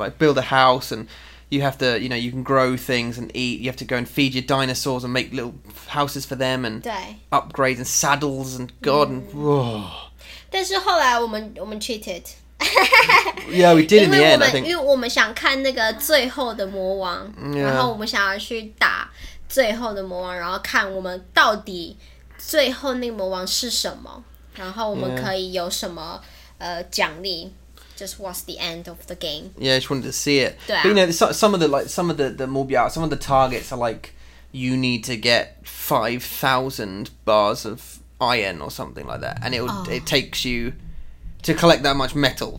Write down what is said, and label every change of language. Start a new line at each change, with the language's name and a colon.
English: Like build a house and. You have to, you know, you can grow things and eat. You have to go and feed your dinosaurs and make little houses for them and upgrades and saddles and god and...
Chinese: 但是后来我们 cheated.
English: Yeah, we did in the end, I think.
Chinese: 因为我们想看那个最后的魔王, 然后我们想要去打最后的魔王, 然后看我们到底最后那个魔王是什么, 然后我们可以有什么, 奖励。
English: Just watch the end of the game. Yeah, I just wanted to see it. But you know, some of the targets are like, you need to get 5,000 bars of iron or something like that, and it takes you to collect that much metal.